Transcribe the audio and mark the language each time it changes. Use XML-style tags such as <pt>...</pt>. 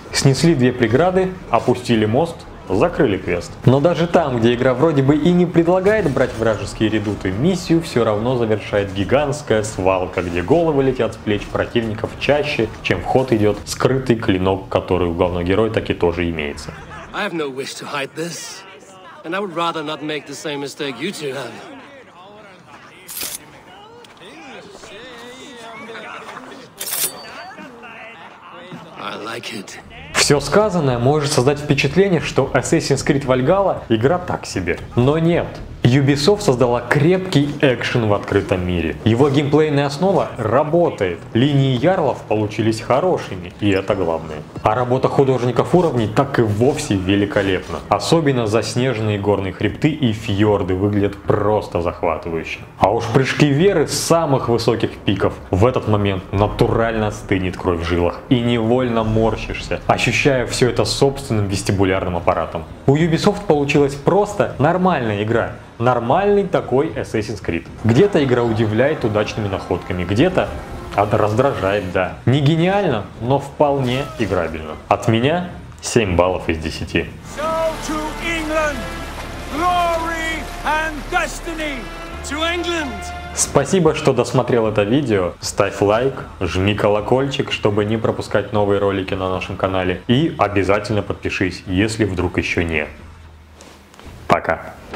<ru>Снесли две преграды, опустили мост, закрыли квест. Но даже там, где игра вроде бы и не предлагает брать вражеские редуты, миссию все равно завершает гигантская свалка, где головы летят с плеч противников чаще, чем в ход идет скрытый клинок, который у главного героя так и тоже имеется.</ru> <en>I have no wish to hide this, and I would rather not make the same mistake you two have. I like it.</en> <ru>Все сказанное может создать впечатление, что Assassin's Creed Valhalla — игра так себе. Но нет. Ubisoft создала крепкий экшен в открытом мире. Его геймплейная основа работает. Линии ярлов получились хорошими, и это главное. А работа художников уровней так и вовсе великолепна. Особенно заснеженные горные хребты и фьорды выглядят просто захватывающе. А уж прыжки веры с самых высоких пиков. В этот момент натурально стынет кровь в жилах и невольно морщишься, ощущая все это собственным вестибулярным аппаратом. У Ubisoft получилась просто нормальная игра. Нормальный такой Assassin's Creed. Где-то игра удивляет удачными находками, где-то раздражает, да. Не гениально, но вполне играбельно. От меня 7 баллов из 10.</ru> <en>So to England, glory and destiny to England.</en> <ru>Спасибо, что досмотрел это видео. Ставь лайк, жми колокольчик, чтобы не пропускать новые ролики на нашем канале. И обязательно подпишись, если вдруг еще не. Пока.</ru>